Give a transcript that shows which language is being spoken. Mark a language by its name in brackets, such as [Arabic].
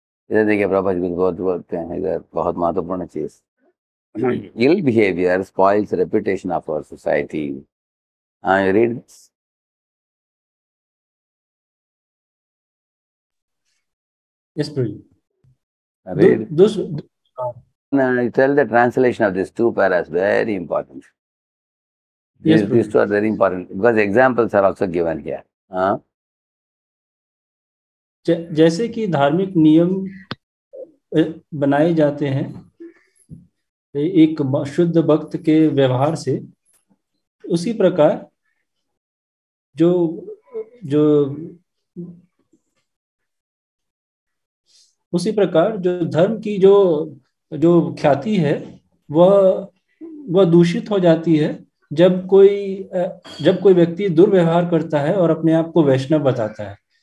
[Hindi] इधर देखिए प्रभु जी बहुत बोलते हैं इधर, बहुत महत्वपूर्ण चीज, [English] Ill behaviour spoils reputation of our society. I read this, yes Praveen, read this, tell the translation of this two paras, very important. Yes These two Praveen, are very important because examples are also given here. [Hindi] जैसे कि धार्मिक नियम बनाए जाते हैं एक शुद्ध भक्त के व्यवहार से, उसी प्रकार जो जो उसी प्रकार जो धर्म की जो जो ख्याति है वह दूषित हो जाती है जब कोई व्यक्ति दुर्व्यवहार करता है और अपने आप को वैष्णव बताता है।